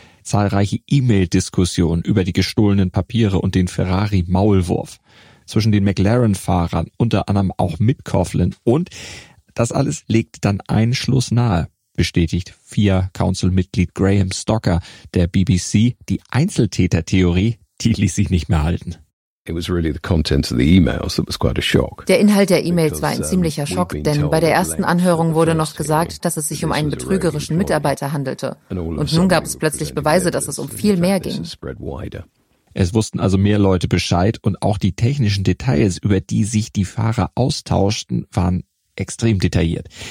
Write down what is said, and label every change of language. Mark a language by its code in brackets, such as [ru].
[de] Zahlreiche E-Mail-Diskussionen über die gestohlenen Papiere und den Ferrari-Maulwurf. Zwischen den McLaren-Fahrern, unter anderem auch mit Coughlin. Und das alles legt dann einen Schluss nahe, bestätigt FIA-Council-Mitglied Graham Stocker der BBC. Die Einzeltäter-Theorie, die ließ sich nicht mehr halten. [en] It was really the content of the emails that was quite a shock. [de] Der Inhalt der E-Mails war ein ziemlicher Schock, denn bei der ersten Anhörung wurde noch gesagt, dass es sich um einen betrügerischen Mitarbeiter handelte. Und nun gab es plötzlich Beweise, dass es um viel mehr ging. Es wussten also mehr Leute Bescheid und auch die technischen Details, über die sich die Fahrer austauschten, waren extrem detailliert.